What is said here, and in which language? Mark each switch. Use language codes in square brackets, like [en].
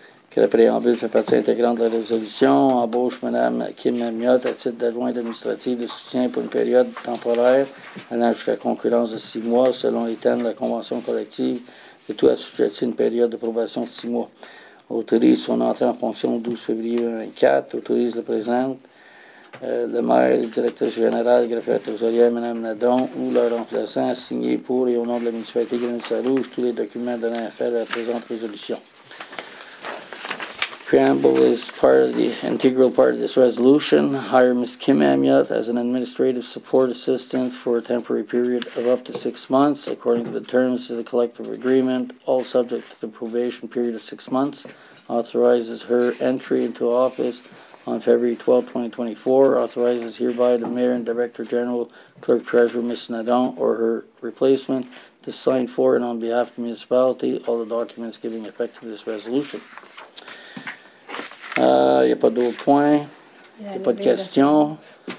[fr] Que la préambule fait partie intégrante de la résolution. Embauche Mme Kim Mignotte à titre d'adjoint administratif de soutien pour une période temporaire allant jusqu'à concurrence de 6 mois selon les termes de la convention collective et tout assujetti une période de probation de 6 mois. Autorise son entrée en fonction le 12 février 2024. Autorise le présent, le maire, le directeur général, le greffier trésorier, Mme Nadon, ou leur remplaçant, signé pour et au nom de la municipalité Grenoble-Sarrouge tous les documents de l'AFL à la présente résolution. [en] Preamble is part of the integral part of this resolution. Hire Ms. Kim Amiot as an administrative support assistant for a temporary period of up to 6 months, according to the terms of the collective agreement, all subject to the probation period of 6 months. Authorizes her entry into office on February 12, 2024. Authorizes hereby the Mayor and Director General, Clerk Treasurer Ms. Nadon, or her replacement, to sign for and on behalf of the municipality all the documents giving effect to this resolution. [fr] Il n'y a pas d'autres points, il n'y a pas de questions.